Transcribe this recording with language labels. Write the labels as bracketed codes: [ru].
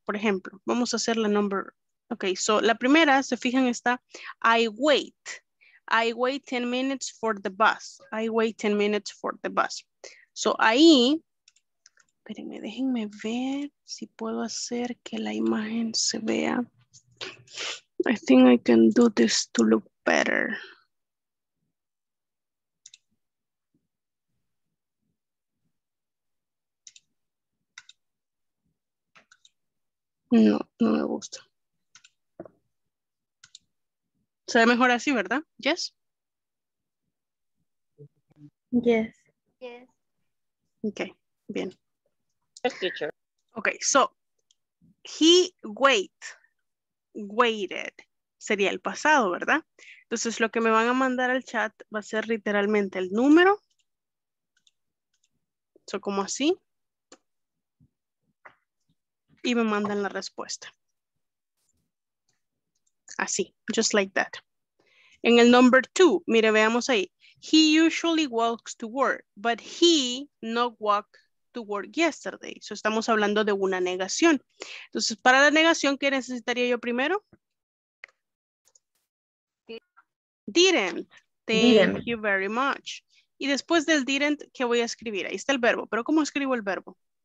[es] Por ejemplo, vamos a hacer la number. Ok, so, la primera, se fijan, está [en] I wait. I wait 10 minutes for the bus. I wait 10 minutes for the bus. [es] So ahí, espérenme, déjenme ver si puedo hacer que la imagen se vea. [en] I think I can do this to look better. [es] No, no me gusta. Se ve mejor así, ¿verdad? [en] Yes. Yes. Yes. [es] Okay, bien. [en] Yes, teacher. Okay, so he waited. [es] Sería el pasado, ¿verdad? Entonces lo que me van a mandar al chat va a ser literalmente el número. So como así. Y me mandan la respuesta. Así, [en] just like that. [es] En el number two, mire, veamos ahí. [en] He usually walks to work, but he not walk to work yesterday. [es] So estamos hablando de una negación. Entonces, para la negación, ¿qué necesitaría yo primero? [en] Didn't. Thank you very much. [es] Y después del didn't, ¿qué voy a escribir? Ahí está el verbo. ¿Pero cómo escribo el verbo?